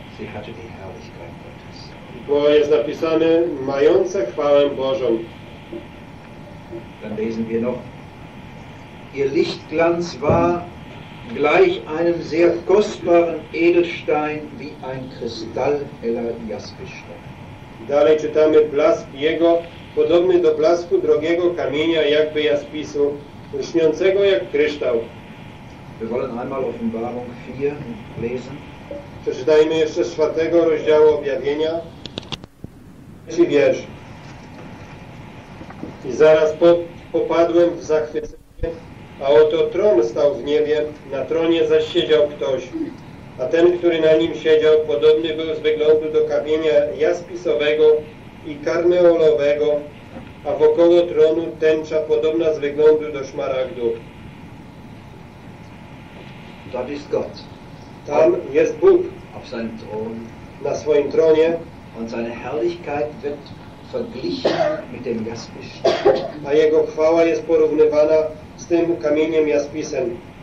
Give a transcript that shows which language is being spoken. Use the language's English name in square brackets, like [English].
[German] Sie hatte die Herrlichkeit Gottes. [Polish] Bo jest napisane, mające chwałę Bożą. [German] Dann lesen wir noch. Ihr Lichtglanz war gleich einem sehr kostbaren Edelstein, wie ein kristallheller Jaspisstein. [Polish] Dalej czytamy, blask jego podobny do blasku drogiego kamienia, jakby jaspisu, lśniącego jak kryształ. [German] Wir wollen einmal Offenbarung 4 lesen. [Polish] Przeczytajmy jeszcze z 4 rozdziału Objawienia. Trzeci wiersz. I zaraz popadłem w zachwycenie. A oto tron stał w niebie, na tronie zaś siedział ktoś, a ten, który na nim siedział, podobny był z wyglądu do kamienia jaspisowego i karneolowego, a wokoło tronu tęcza podobna z wyglądu do szmaragdu. [German] That is God. [Polish] Tam jest Bóg. [German] Auf seinem Thron. [Polish] Na swoim tronie. [German] Und seine Herrlichkeit wird verglichen mit dem Jaspis. [Polish] A jego chwała jest porównywana z tym kamieniem jaspisem.